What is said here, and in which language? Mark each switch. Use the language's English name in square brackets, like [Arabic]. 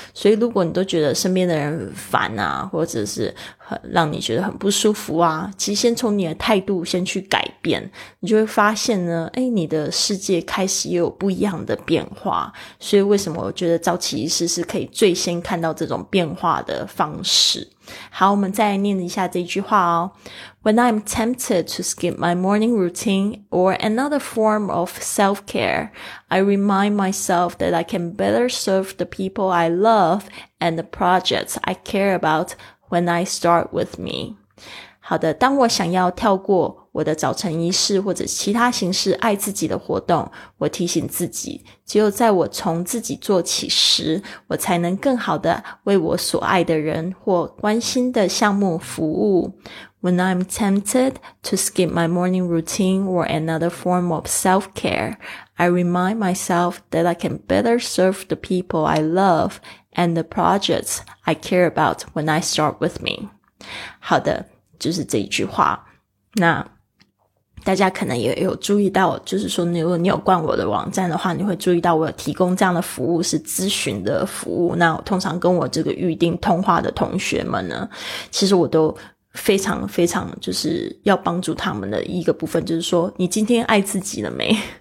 [Chinese] 所以如果你都觉得身边的人很烦啊，或者是很让你觉得很不舒服啊，其实先从你的态度先去改变，你就会发现呢，诶，你的世界开始也有不一样的变化。所以为什么我觉得早起仪式是可以最先看到这种变化的方式。好，我们再来念一下这句话哦。 [English] When I'm tempted to skip my morning routine or another form of self-care, I remind myself that I can better serve the people I love and the projects I care about when I start with me. [Chinese] 好的，当我想要跳过我的早晨仪式或者其他形式爱自己的活动，我提醒自己，只有在我从自己做起时，我才能更好的为我所爱的人或关心的项目服务。 [English] When I'm tempted to skip my morning routine or another form of self-care, I remind myself that I can better serve the people I love and the projects I care about when I start with me. [Chinese] 好的，就是这一句话。那大家可能也有注意到，就是说如果你有逛我的网站的话，你会注意到我有提供这样的服务，是咨询的服务。那我通常跟我这个预定通话的同学们呢，其实我都非常非常就是要帮助他们的一个部分，就是说你今天爱自己了没，